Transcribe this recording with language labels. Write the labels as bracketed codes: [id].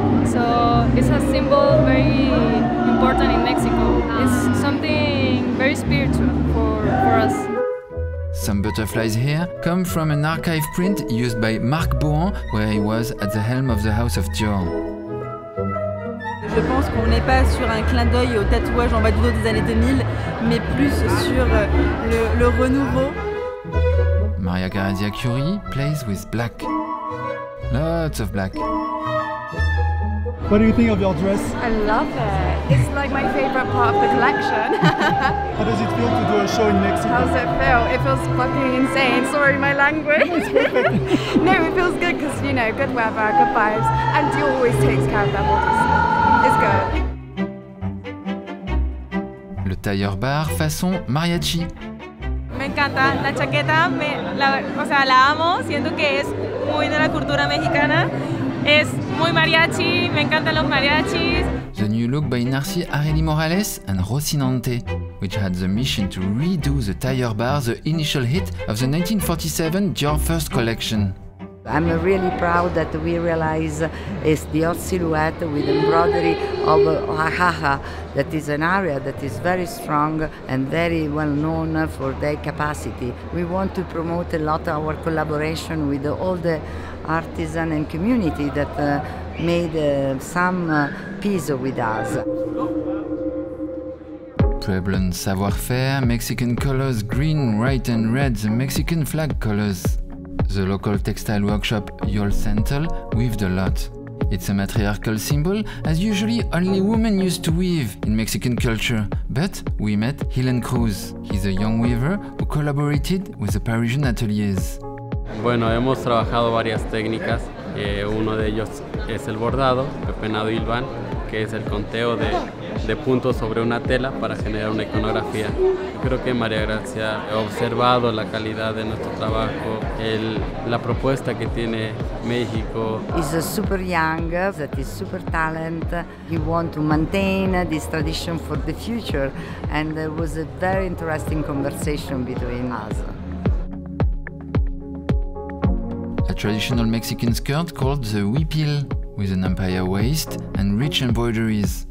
[en] So it's a symbol very important in Mexico. It's something very spiritual for us. Some butterflies here come from an archive print used by Marc Bohan, where he was at the helm of the House of Dior. [fr] Je pense qu'on n'est pas sur un clin d'œil au tatouage en bas du dos des années 2000, mais plus sur le renouveau. [en] Maria Grazia Chiuri plays with black. Lots of black. What do you think of your dress? I love it. It's like my favorite part of the collection. How does it feel to do a show in Mexico? How does it feel? It feels fucking insane. Sorry, my language. No, it feels good because, you know, good weather, good vibes. And Dior always takes care of their bodies. It's good. [fr] Le tailleur bar façon mariachi. [es] Me encanta la chaqueta. La amo. Siento que es muy de la cultura mexicana. Es muy mariachi, me encantan los mariachis. [en] The new look by Narcy Areli Morales and Rocinante, which had the mission to redo the tailleur bar, the initial hit of the 1947 Dior first collection. I'm really proud that we realize it's Dior silhouette with embroidery of Oaxaca, that is an area that is very strong and very well known for their capacity. We want to promote a lot of our collaboration with all the artisan and community that made some piece with us. Pueblan savoir-faire, Mexican colors, green, white and red, the Mexican flag colors. The local textile workshop Yolcentle weaved a lot. It's a matriarchal symbol, as usually only women used to weave in Mexican culture. But we met Helen Cruz. He's a young weaver who collaborated with the Parisian ateliers. [es] Bueno, hemos trabajado varias técnicas. Uno de ellos es el bordado, el penado hilván, que es el conteo de puntos sobre una tela para generar una iconografía. Creo que María Gracia ha observado la calidad de nuestro trabajo, la propuesta que tiene México. [en] Is a super young, that is super talent. He want to maintain this tradition for the future, and there was a very interesting conversation between us. A traditional Mexican skirt called the huipil, with an empire waist and rich embroideries.